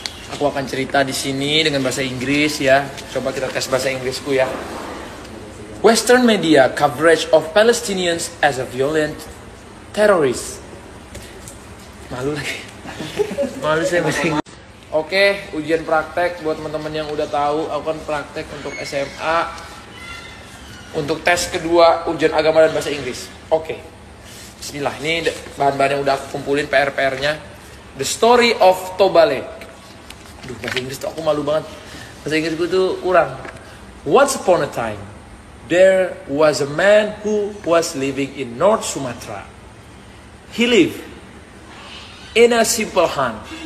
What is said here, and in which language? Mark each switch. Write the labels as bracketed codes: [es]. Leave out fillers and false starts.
[id] Aku akan cerita di sini dengan bahasa Inggris ya. Coba kita tes bahasa Inggrisku ya. [en] Western media coverage of Palestinians as a violent terrorist. [id] Malu lagi. Malu saya bahasa Inggris. Oke, ujian praktek buat teman-teman yang udah tahu, aku kan praktek untuk SMA untuk tes kedua ujian agama dan bahasa Inggris. Oke. Bismillah, ini bahan-bahan yang udah aku kumpulin PR-nya. [en] The story of Tobale. [id] Aduh, bahasa Inggris tuh aku malu banget. Bahasa Inggris gue tuh kurang. [en] Once upon a time, there was a man who was living in North Sumatra. He lived in a simple hut.